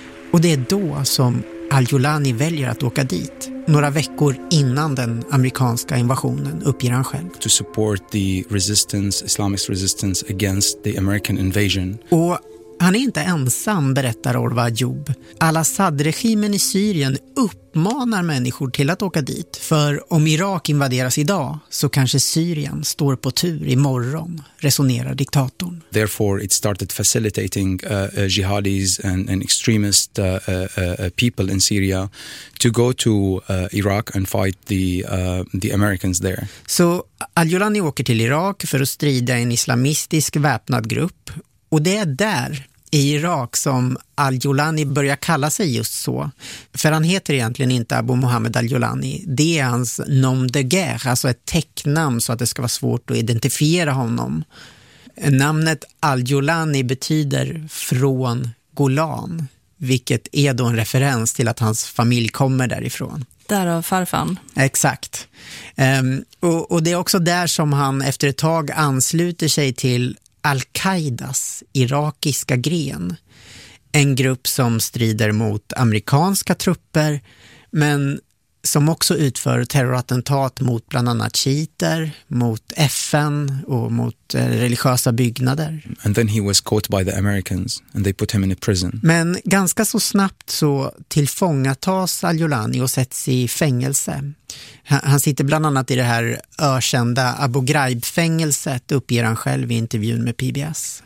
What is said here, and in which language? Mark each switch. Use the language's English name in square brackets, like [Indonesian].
[Swedish] Och det är då som Al-Julani väljer att åka dit. Några veckor innan den amerikanska invasionen, uppger han själv. [English] To support the resistance, Islamist resistance against the American invasion. [Swedish] Och han är inte ensam, berättar Orwa Ajoub. Al-Assad-regimen i Syrien uppmanar människor till att åka dit. För om Irak invaderas idag så kanske Syrien står på tur imorgon, resonerar diktatorn. [English] Therefore it started facilitating jihadis and extremist people in Syria to go to Iraq and fight the Americans there. [Swedish] Så Al-Julani åker till Irak för att strida i en islamistisk väpnad grupp. Och det är där, i Irak som al-Julani börjar kalla sig just så. För han heter egentligen inte Abu Mohammed al-Julani. Det är hans nom de guerre, alltså ett tecknamn så att det ska vara svårt att identifiera honom. Namnet al-Julani betyder från Golan, vilket är då en referens till att hans familj kommer därifrån. Därav farfan. Exakt. Och det är också där som han efter ett tag ansluter sig till al-Qaidas irakiska gren. En grupp som strider mot amerikanska trupper, men som också utför terrorattentat mot bland annat shiiter, mot FN och mot religiösa byggnader. [English] And then he was caught by the Americans and they put him in a prison. [Swedish] Men ganska så snabbt så tillfångatas al-Julani och sätts i fängelse. Han sitter bland annat i det här ökända Abu Ghraib-fängelset, uppger han själv i intervjun med PBS.